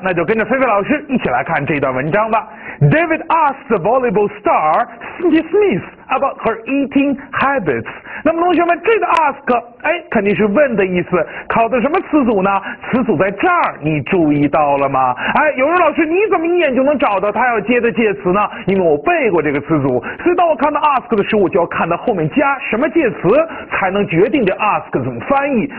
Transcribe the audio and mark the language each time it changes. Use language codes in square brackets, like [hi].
[zh] 那就跟着菲菲老师一起来看这段文章吧。 [en] David asked the volleyball star Cindy Smith about her eating habits。 [zh] 那么，同学们，这个 ask， 哎，肯定是问的意思。考的什么词组呢？词组在这儿，你注意到了吗？哎，有人老师，你怎么一眼就能找到他要接的介词呢？因为我背过这个词组，所以当我看到 ask 的时候，我就要看到后面加什么介词，才能决定这 ask 怎么翻译。